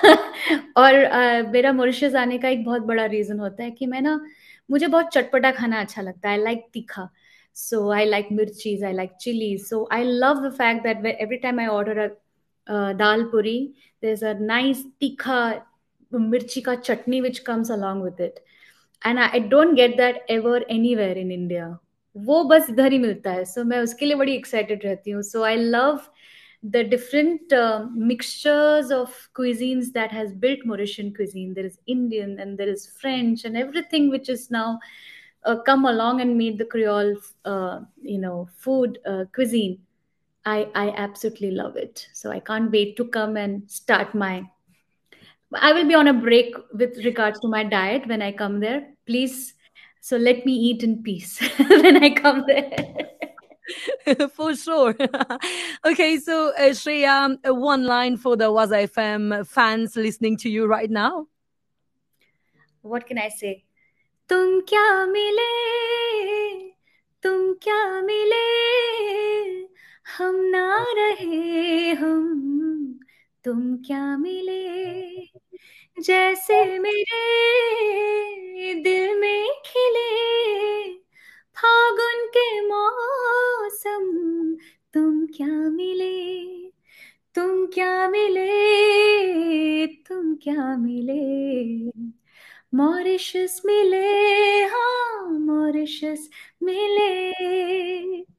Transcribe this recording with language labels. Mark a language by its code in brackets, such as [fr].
[hi] और मेरा मॉरिशस आने का एक बहुत बड़ा रीजन होता है कि मैं ना मुझे बहुत चटपटा खाना अच्छा लगता है. [en] I like तीखा. So I like mirchis, I like chilies. So I love the fact that every time I order a dal puri, there's a nice tikha mirchi ka chutney which comes along with it. And I don't get that ever anywhere in India. [hi] Wo bas idhar hi milta hai. [en] So [hi] main uske liye badi excited rehti hu. [en] So I love the different mixtures of cuisines that has built Mauritian cuisine. There is Indian and there is French and everything which is now come along and made the Creole, food cuisine. I absolutely love it. So I can't wait to come and start my... I will be on a break with regards to my diet when I come there. Please, so let me eat in peace when I come there. For sure. Okay, so Shreya, one line for the Wazaa FM fans listening to you right now. What can I say? [hi] तुम क्या मिले तुम क्या मिले हम ना रहे हम तुम क्या मिले जैसे मेरे दिल में खिले फागुन के मौसम तुम क्या मिले तुम क्या मिले तुम क्या मिले Mauritius mile, Mauritius mile.